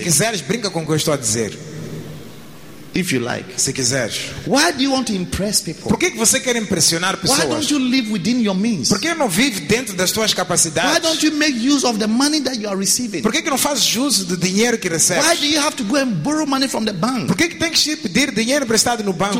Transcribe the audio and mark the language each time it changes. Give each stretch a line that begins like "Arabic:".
Portuguese: Se quiseres, brinca com o que eu estou a dizer.
English: If you like,
Portuguese: se quiseres.
English: Why do you want to impress people?
Portuguese: Por que você quer impressionar pessoas?
English: Why don't you live within your means?
Portuguese: Por que não vive dentro das tuas capacidades?
English: Why don't you make use of the money that you are receiving?
Portuguese: Por que não fazes uso do dinheiro que recebes?
English: Why do you have to go and borrow money from the bank?
Portuguese: Por que tem que pedir dinheiro emprestado no banco?